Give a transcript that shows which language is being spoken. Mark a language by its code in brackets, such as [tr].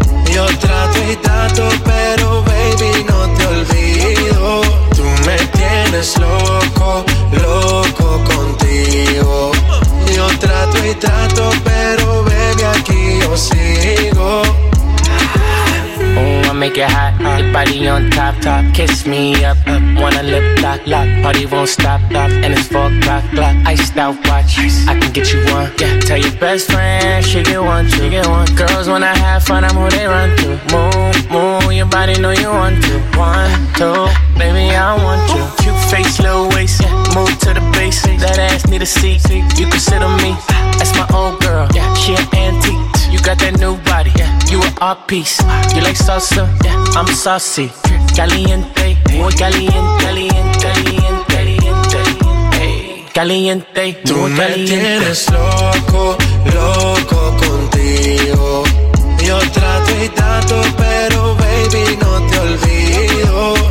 [es] Yo trato y trato, pero baby, no te olvido. Tú me tienes loco, loco contigo. Yo trato y trato, pero baby, aquí yo sigo. [en] Ooh, I make it hot, your body on top, top. Kiss me up, up. Wanna lip lock, lock. Party won't stop, stop. And it's 4 o'clock, iced out watch. Ice. I can get you one, yeah. Tell your best friend, she get one, she get one. Girls wanna have fun, I'm who they run to. Move, move, your body know you want to. One, two, baby, I want you. Cute face, little waist, yeah. Move to the base. That ass need a seat, you can sit on me. That's my old girl, yeah. She an antique. You got that new body, yeah. You an art piece. You like salsa, yeah. I'm saucy. [es] Caliente, muy caliente, caliente, caliente, caliente, caliente. Tú me tienes loco, loco contigo. Yo trato y trato, pero baby, no te olvido.